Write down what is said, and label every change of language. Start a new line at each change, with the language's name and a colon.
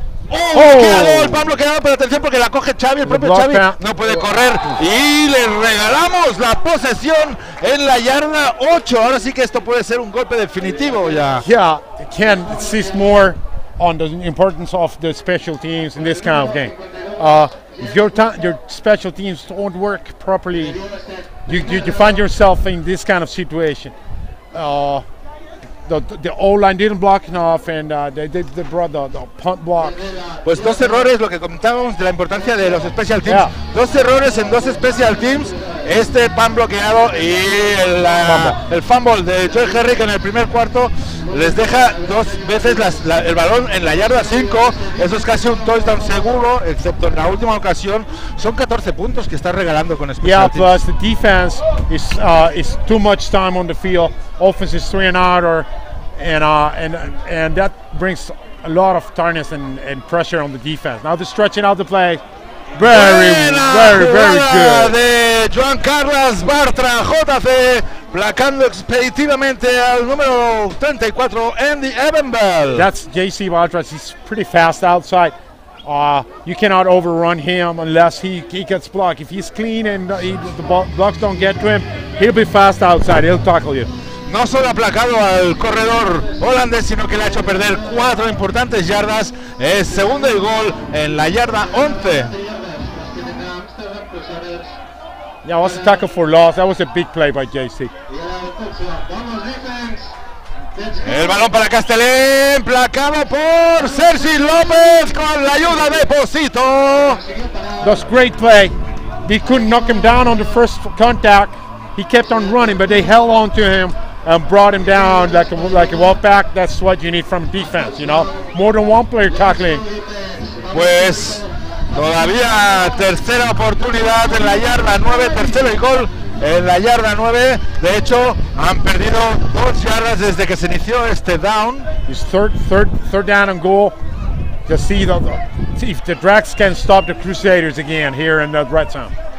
Spanish: El pan bloqueado, pero atención porque la coge Xavi, el propio Xavi no puede correr. Y le regalamos la posesión en la yarda 8. Ahora sí que esto puede ser un golpe definitivo ya.
English: Yeah, Ken sees more on the importance of the special teams in this kind of game. If your special teams don't work properly, you find yourself in this kind of situation. The O-line didn't block enough and they brought the punt block.
Spanish: Pues dos errores, lo que comentábamos de la importancia de los special teams. Yeah. Dos errores en dos special teams, este punt bloqueado y el fumble de Joe Herrick en el primer cuarto les deja dos veces el balón en la yarda 5. Eso es casi un touchdown seguro, excepto en la última ocasión. Son 14 puntos que está regalando con special teams.
English: Yeah, plus the defense is too much time on the field. Offense is 3 and out, and that brings a lot of tiredness and pressure on the defense. Now they're stretching out the play. Very, very, very good.
Spanish: De Juan Carlos Bartra, JC, placando expeditivamente al número 34, Andy Evanbell.
English: That's JC Bartra. He's pretty fast outside. You cannot overrun him unless he gets blocked. If he's clean and the blocks don't get to him, he'll be fast outside. He'll tackle you.
Spanish: No solo ha aplacado al corredor holandés, sino que le ha hecho perder 4 importantes yardas. Es segundo y gol en la yarda 11.
English: Yeah, it was a tackle for loss. That was a big play by JC.
Spanish: El balón para Castellén, placado por Sergi López con la ayuda de Pocito.
English: That's great play. They couldn't knock him down on the first contact. He kept on running, but they held on to him. And brought him down like a walk back. That's what you need from defense, you know. More than one player tackling.
Spanish: Pues todavía tercera oportunidad en la yarda 9, tercero y gol en la yarda 9. De hecho, han perdido 2 yardas desde que se inició este down.
English: It's third down and goal. To see if the Drax can stop the Crusaders again here in the red zone.